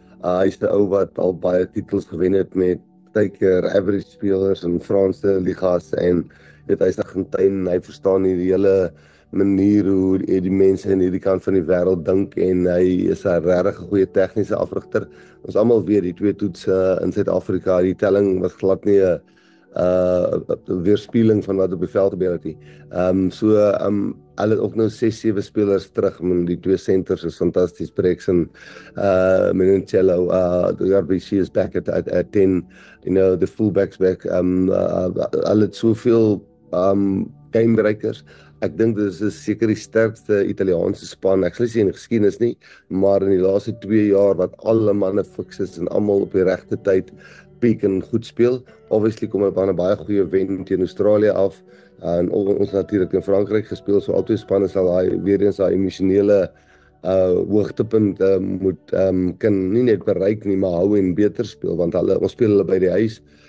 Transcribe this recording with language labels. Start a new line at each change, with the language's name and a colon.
Afrikaans: Hy's 'n ou wat al baie titels gewen het met partykeer average spelers in Franse ligas en dit is nog 'n tyd en hy verstaan die hele manier hoe die mense in hierdie kant van die wêreld dink en hy is 'n regtig goeie tegniese afrigter. Ons almal weet die twee toetse in Suid-Afrika, die telling was glad nie 'n weerspieëling van wat op die veld gebeur het nie. Hulle het ook nou 6-7 spelers terug, en die twee centers is fantasties, Brex en Minicello.
English: The RBC is back at 10. The fullbacks back.
Afrikaans: Hulle het soveel gamebreakers. Ek dink dit is seker die sterkste Italiaanse span. Ek sal nie sê in geskiedenis nie, maar in die laaste 2 jaar wat alle manne fiks is en almal op die regte tyd piek en goed speel. Obviously kom hulle van 'n baie goeie wen teen Australië af. En ons natuurlik in Frankryk gespeel, so al twee spanne sal daai weer eens daai emosionele hoogtepunt moet kan nie net bereik nie, maar hou en beter speel, want ons speel hulle by die huis.